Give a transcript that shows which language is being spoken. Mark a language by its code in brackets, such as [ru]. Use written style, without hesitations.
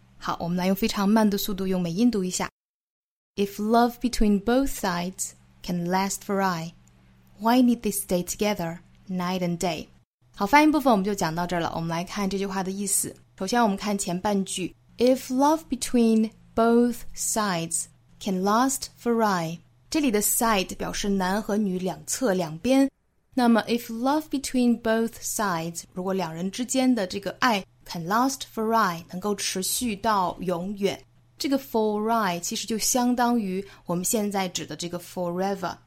[zh] 好，我们来用非常慢的速度用美音读一下。 [en] If love between both sides can last for I, why need they stay together night and day。 [zh] 好，发音部分我们就讲到这儿了。我们来看这句话的意思。首先我们看前半句， [en] If love between both sides can last for I， [zh] 这里的 side 表示男和女两侧两边，那么 if love between both sides， 如果两人之间的这个爱 can last for I， 能够持续到永远，这个 for I 其实就相当于我们现在指的这个 forever。